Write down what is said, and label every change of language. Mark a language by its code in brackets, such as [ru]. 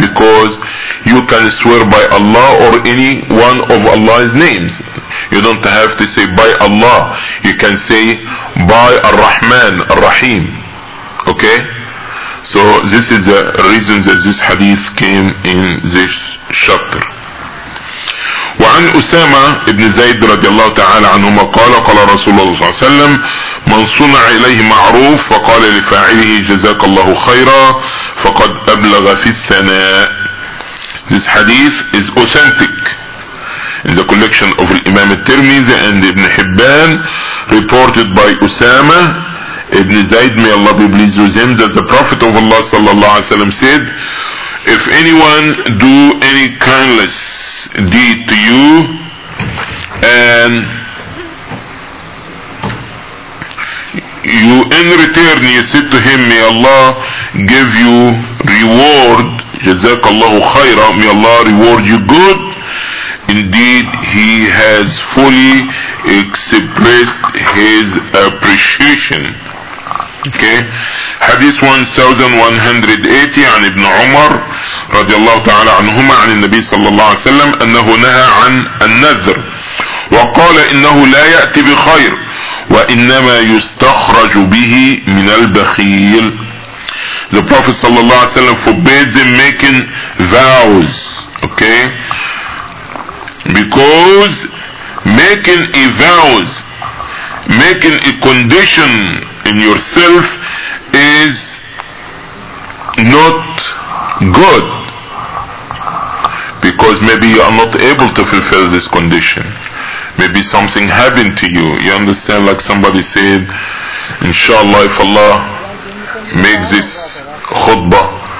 [en] Because you can swear by Allah or any one of Allah's names. You don't have to say by Allah. You can say by Ar-Rahman, Ar-Rahim. Okay? So this is the reason that this hadith came in this chapter. [ar] وعن أسامة بن زيد رضي الله تعالى عنهما قال قال رسول الله صلى الله عليه وسلم من صنع إليه معروف فقال لفاعله جزاك الله خيرا فقد أبلغ في الثناء. [en] This hadith is authentic in the collection of Imam al-Tirmidhi and Ibn Hibban, reported by أسامة بن زيد, may Allah be pleased with him, that the Prophet of Allah [ar] صلى الله عليه وسلم [en] said, if anyone do any kindness deed to you and you in return you said to him, may Allah give you reward, [ar] jazakallahu khayra, [en] may Allah reward you good, indeed he has fully expressed his appreciation. Okay, hadith 1180 [ar] عن ابن عمر رضي الله تعالى عنهما عن النبي صلى الله عليه وسلم أنه نهى عن النذر وقال إنه لا يأتي بخير وإنما يستخرج به من البخيل. [en] The Prophet صلى الله عليه وسلم forbade them making vows. Okay, because making a vows, making a condition in yourself is not good, because maybe you are not able to fulfill this condition, maybe something happened to you, you understand, like somebody said, inshallah if Allah makes this khutbah,